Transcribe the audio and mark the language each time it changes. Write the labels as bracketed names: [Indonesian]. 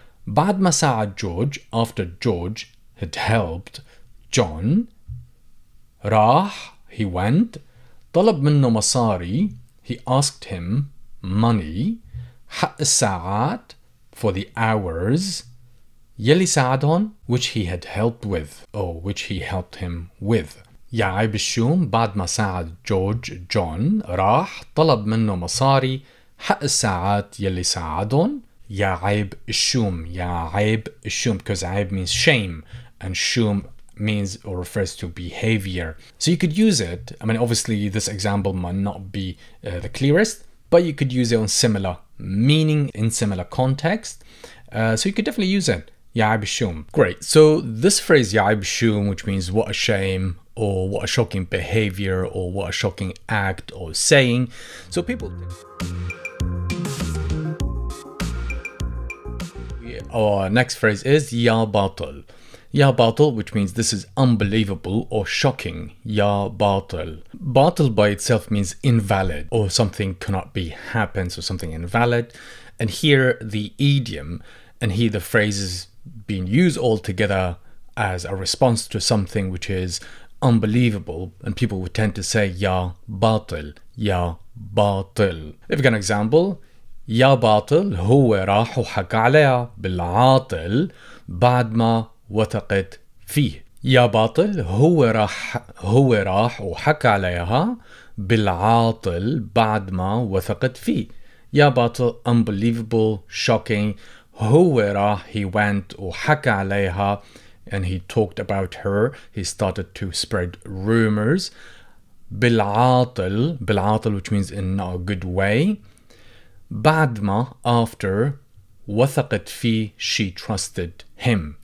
[Arabic] بعد ما ساعد جورج, [English] after George had helped John, [Arabic] راح, [English] he went, [Arabic] طلب منه مصاري, [English] he asked him money, [Arabic] حق الساعات, [English] for the hours, [Arabic] يلي ساعدهن, [English] which he had helped with, or which he helped him with. [Arabic] يا عيب الشوم, بعد ما ساعد جورج جون, راح طلب منه مصاري حق الساعات يلي ساعدهن. يا عيب الشوم, يا عيب الشوم, [English] because عيب means shame, and شوم means or refers to behavior. So you could use it, I mean, obviously this example might not be the clearest, but you could use it on similar meaning, in similar context. So you could definitely use it. Ya'ib shum. Great. So this phrase ya'ib shum, which means what a shame or what a shocking behavior or what a shocking act or saying. So people, our next phrase is ya batil. Ya batil, which means this is unbelievable or shocking. Ya batil. Batil by itself means invalid or something cannot be happened, so something invalid. And here the idiom and here the phrase is being used all together as a response to something which is unbelievable, and people would tend to say ya batil, ya batil. If you got an example, ya batil [Arabic] هو راح وحكى عليها بالعاطل بعد ما وثقت فيه. Ya batil هو راح وحكى عليها بالعاطل بعد ما وثقت فيه. [English] Ya batil, unbelievable, shocking. [Arabic] Huwera, [English] he went, or [Arabic] haka alayha, [English] and he talked about her. He started to spread rumors. [Arabic] Bil'atil, bil'atil, [English] which means in not a good way. [Arabic] Ba'dma, [English] after, [Arabic] wathaqat fi, [English] she trusted him.